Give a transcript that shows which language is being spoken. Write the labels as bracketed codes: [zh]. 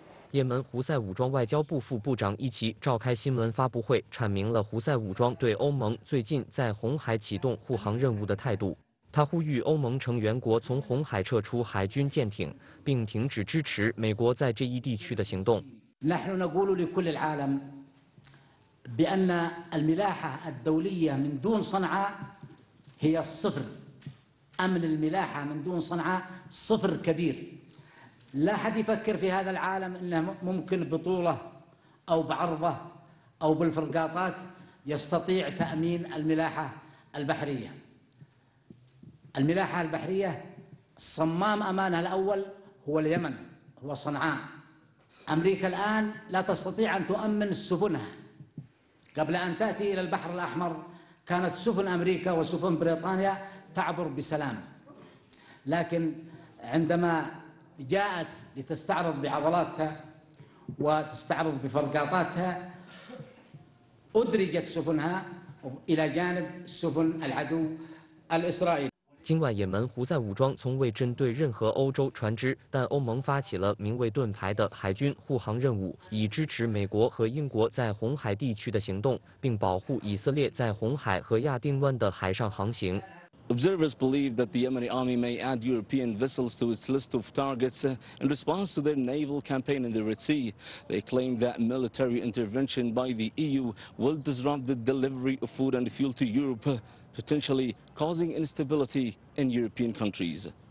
[zh] 也门胡塞武装外交部副部长一齐召开新闻发布会，阐明了胡塞武装对欧盟最近在红海启动护航任务的态度。他呼吁欧盟成员国从红海撤出海军舰艇，并停止支持美国在这一地区的行动。 [ar] نحن نقول لكل العالم بأن الملاحة الدولية من دون صنعاء هي الصفر، أمن الملاحة من دون صنعاء صفر كبير. لا أحد يفكر في هذا العالم أنه ممكن بطولة أو بعرضة أو بالفرقاطات يستطيع تأمين الملاحة البحرية. الملاحة البحرية صمام أمانها الأول هو اليمن، هو صنعاء. أمريكا الآن لا تستطيع أن تؤمن سفنها. قبل أن تأتي إلى البحر الأحمر كانت سفن أمريكا وسفن بريطانيا تعبر بسلام، لكن عندما جاءت لتستعرض بعضلاتها وتستعرض بفرقاطاتها أدرجت سفنها إلى جانب سفن العدو الإسرائيلي. [zh] 今晚也门胡塞武装从未针对任何欧洲船只，但欧盟发起了名为盾牌的海军护航任务，以支持美国和英国在红海地区的行动，并保护以色列在红海和亚丁湾的海上航行。 [en] Observers believe that the Yemeni army may add European vessels to its list of targets in response to their naval campaign in the Red Sea. They claim that military intervention by the EU will disrupt the delivery of food and fuel to Europe, potentially causing instability in European countries.